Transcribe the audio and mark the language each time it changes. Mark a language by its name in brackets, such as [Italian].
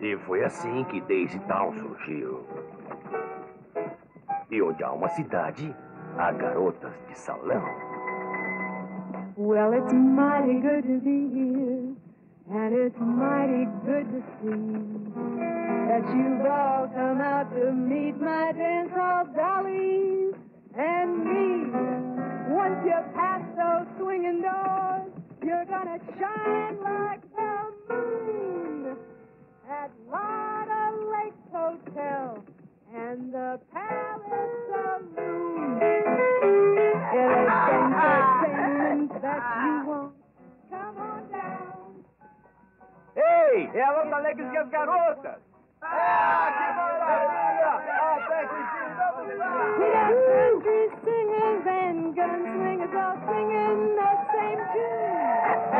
[Portuguese] E foi assim que Daisy Town surgiu. E onde há uma cidade, a garotas de salão. [English] Well, it's mighty good to be here, and it's mighty good to see that you've all come out to meet my dance hall dollies and me. Once you pass those swinging doors, you're gonna shine like the moon at Lotta Lake Hotel and the Palace Saloon. [Portuguese] Ei, é a Lota Alegre e as garotas! Ah, que maravilha! Até que enfim, vamos lá! [English] We got country singers and gun swingers all singing the same tune.